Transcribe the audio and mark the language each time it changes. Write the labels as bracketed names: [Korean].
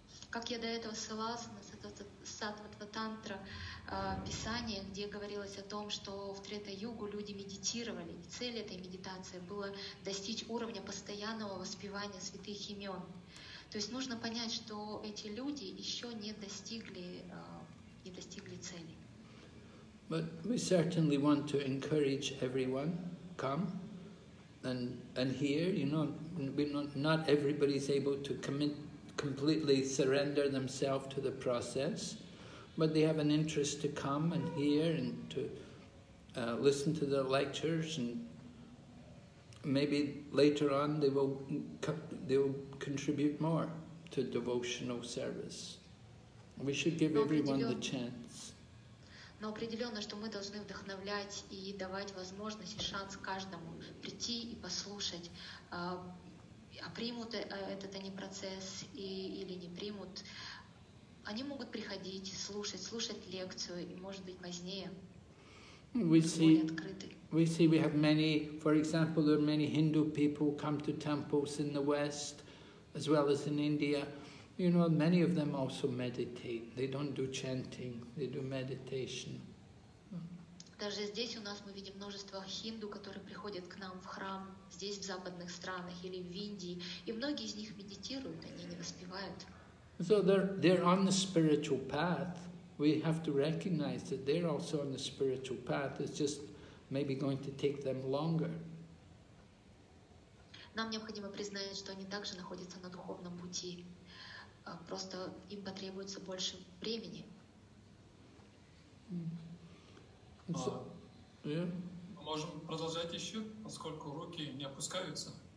[Russian] Как я до этого ссылался на Сатватва Тантра Писание, где говорилось о том, что в Трета-югу люди медитировали, и цель этой медитации была достичь уровня постоянного воспевания святых имен. То есть нужно понять, что эти люди еще не достигли цели. [English] But we certainly want to encourage everyone, come. And here, you know, not everybody is able to completely surrender themselves to the process, but they have an interest to come and hear and to listen to the lectures, and maybe later on they will contribute more to devotional service. We should give everyone the chance. [Russian] Но определенно, что мы должны вдохновлять и давать возможность и шанс каждому прийти и послушать, примут этот они процесс или не примут. Они могут приходить, слушать лекцию, и, может быть, позднее. [English] We see we have many, for example, there are many Hindu people come to temples in the West, as well as in India. You know, many of them also meditate. They don't do chanting, they do meditation. [Russian] Даже здесь у нас мы видим множество хинду, которые приходят к нам в храм, здесь, в западных странах, или в Индии, и многие из них медитируют, они не воспевают. [English] So they're on the spiritual path. We have to recognize that they're also on the spiritual path. It's just maybe going to take them longer. [Russian] Нам необходимо признать, что они также находятся на духовном пути. Просто им потребуется больше времени. Мы можем продолжать еще, поскольку руки не опускаются.